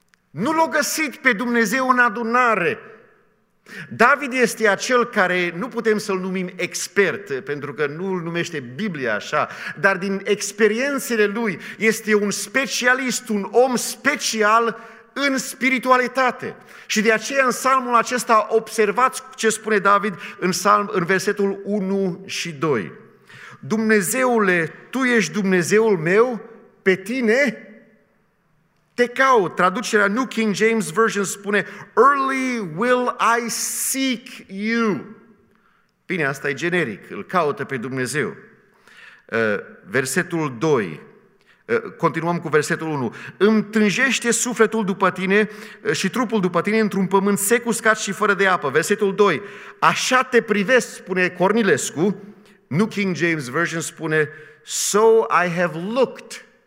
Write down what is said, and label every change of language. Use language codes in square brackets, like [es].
[ro] Nu l-a găsit pe Dumnezeu în adunare. David este acel care nu putem să-l numim expert, pentru că nu îl numește Biblia așa, dar din experiențele lui este un specialist, un om special în spiritualitate. Și de aceea în psalmul acesta observați ce spune David în psalm, în versetul 1 și 2. Dumnezeule, Tu ești Dumnezeul meu, pe Tine te caut. Traducerea New King James Version spune, [en] early will I seek you. [ro] Bine, asta e generic, îl caută pe Dumnezeu. Versetul 2, continuăm cu versetul 1. Îmi tânjește sufletul după tine și trupul după tine într-un pământ sec, uscat și fără de apă. Versetul 2, așa te privesc, spune Cornilescu. New King James Version spune, [en] so I have looked